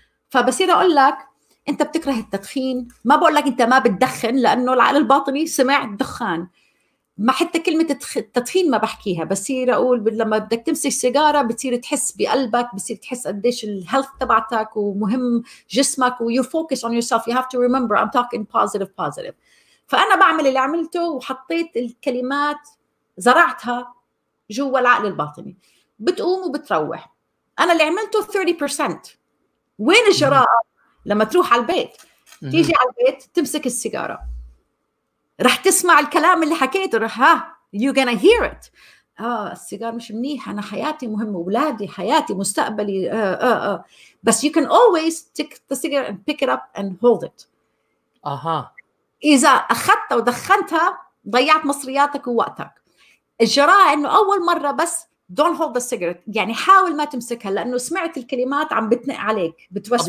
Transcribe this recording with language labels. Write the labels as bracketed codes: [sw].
[ar] فبصير أقول لك أنت بتكره التدخين، ما بقول لك أنت ما بتدخن لأنه العقل الباطني سمع الدخان. ما حتى كلمة التدخين ما بحكيها، بصير أقول لما بدك تمسك سيجارة بتصير تحس بقلبك، بتصير تحس قديش الهيلث تبعتك ومهم جسمك، [en] you focus on yourself. You have to remember I'm talking positive. [ar] فأنا بعمل اللي عملته وحطيت الكلمات، زرعتها جوا العقل الباطني، بتقوم وبتروح. أنا اللي عملته 30%. وين الجراءة لما تروح على البيت؟ تيجي على البيت تمسك السيجارة، رح تسمع الكلام اللي حكيته، رح [en] you gonna hear it. [ar] السيجارة مش منيح، أنا حياتي مهمة، أولادي، حياتي، مستقبلي. [en] بس you can always take the cigarette and pick it up and hold it. [ar] إذا أخذتها ودخنتها ضيعت مصرياتك ووقتك. الجراءة إنه أول مرة بس [en] don't hold the cigarette، [ar] يعني حاول ما تمسكها لأنه سمعت الكلمات عم بتنق عليك بتوسوس.